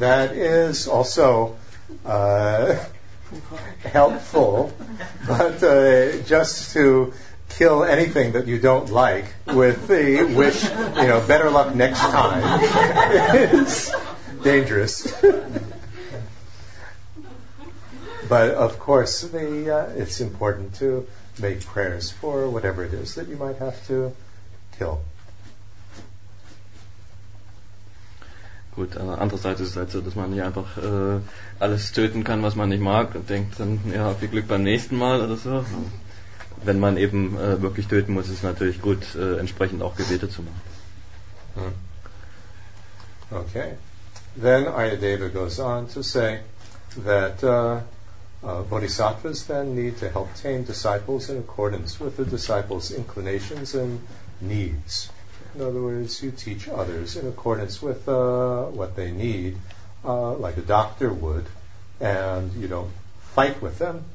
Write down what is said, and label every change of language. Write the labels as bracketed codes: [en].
[en] That is also helpful, but just to kill anything that you don't like with the wish, you know, better luck next time is dangerous. But of course, it's important to make prayers for whatever it is that you might have to kill. [de] Gut, andererseits ist es halt so, dass man nicht einfach alles töten kann, was man nicht mag, und denkt dann, ja, viel Glück beim nächsten Mal oder so. Wenn man eben wirklich töten muss, ist es natürlich gut, entsprechend auch Gebete zu machen. [en] Okay. Then Ayadeva goes on to say that Bodhisattvas then need to help tame disciples in accordance with the disciples' inclinations and needs. In other words, you teach others in accordance with what they need, like a doctor would, and you don't fight with them.